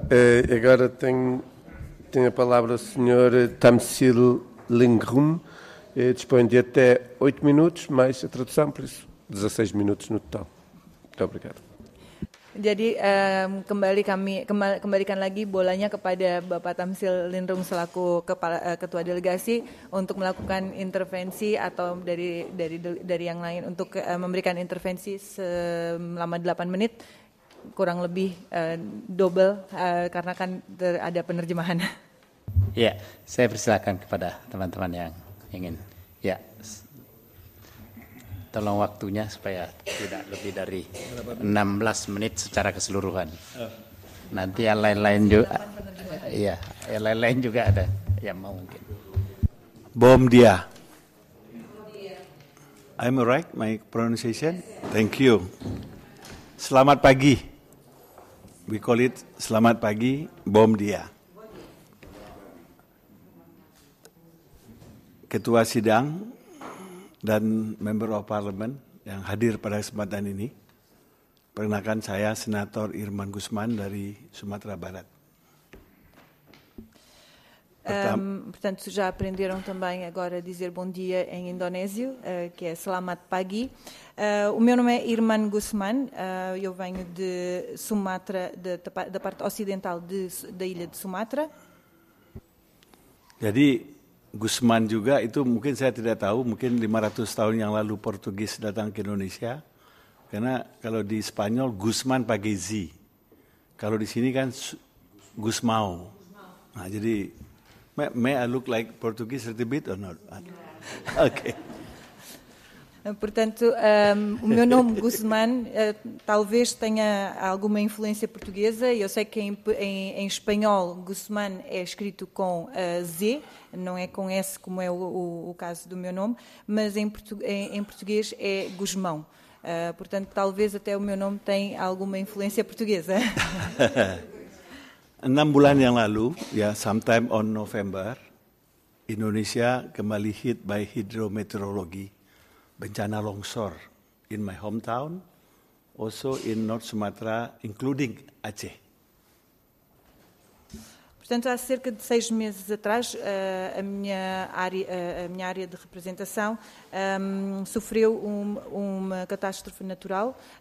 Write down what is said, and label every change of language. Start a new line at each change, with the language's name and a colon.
Portuguese: Agora tenho a palavra o Sr. Tamsil Lingrum. Dispõe de até 8 minutos, mais a tradução, por isso 16 minutos no total. Muito obrigado.
Indonesian: Jadi kembalikan lagi bolanya kepada Bapak Tamsil Lindrung selaku ketua delegasi untuk melakukan intervensi atau dari yang lain untuk memberikan intervensi selama 8 menit kurang lebih double karena kan ada penerjemahan. Ya, saya persilakan kepada teman-teman yang ingin ya. Tolong waktunya supaya tidak lebih dari 16 menit secara keseluruhan. Nanti yang lain-lain juga, iya, yang lain-lain juga ada yang mau mungkin.
Portuguese: Bom dia.
English: I'm right, my pronunciation. Thank you.
Indonesian: Selamat pagi.
English: We call it
Indonesian: selamat pagi,
Portuguese: bom dia.
Indonesian: Ketua sidang dan
English: member of parliament
Indonesian: yang hadir pada kesempatan ini. Perkenalkan saya Senator Irman Gusman dari Sumatera Barat.
Portuguese: Portanto, já aprenderam também agora a dizer bom dia em indonésio, que é selamat pagi. O meu nome é Irman Gusman, eu venho de Sumatra, da parte ocidental da ilha de Sumatra.
Indonesian: Jadi Gusman juga itu mungkin saya tidak tahu, mungkin 500 tahun yang lalu Portugis datang ke Indonesia. Karena kalau di Spanyol Gusman Pagezi. Kalau di sini kan Gusmão. Nah, jadi
English: may I look like Portuguese a little bit or not? Okay.
Portuguese: Portanto, o meu nome Guzmán talvez tenha alguma influência portuguesa. Eu sei que em espanhol Guzmán é escrito com Z, não é com S como é o caso do meu nome, mas em português é Guzmão. Portanto, talvez até o meu nome tenha alguma influência portuguesa.
Indonesian: 6 bulan yang lalu,
English: yeah, sometime on November,
Indonesian: Indonesia kembali
English: hit by
Indonesian: hidrometeorologi. Bencana longsor
English: in my hometown, also in North Sumatra, including Aceh.
Portuguese: Portanto, há cerca de 6 meses atrás, a minha área de representação sofreu uma catástrofe natural.